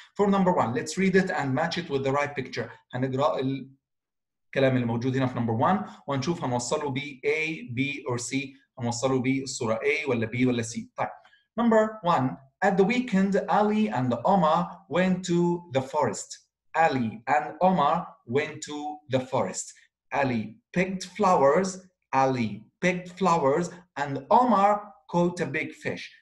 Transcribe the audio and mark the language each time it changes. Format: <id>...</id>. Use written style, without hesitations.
<en>For number one, let's read it and match it with the right picture.</en> <ar>هنقرأ الكلام اللي موجود هنا في</ar> <en>number one</en> <ar>ونشوف هنوصله ب A, B or C. هنوصله ب الصورة A ولا B ولا C.</ar> <en>طيب, number one, at the weekend, Ali and Omar went to the forest. Ali and Omar went to the forest. Ali picked flowers. Ali picked flowers and Omar caught a big fish.</en>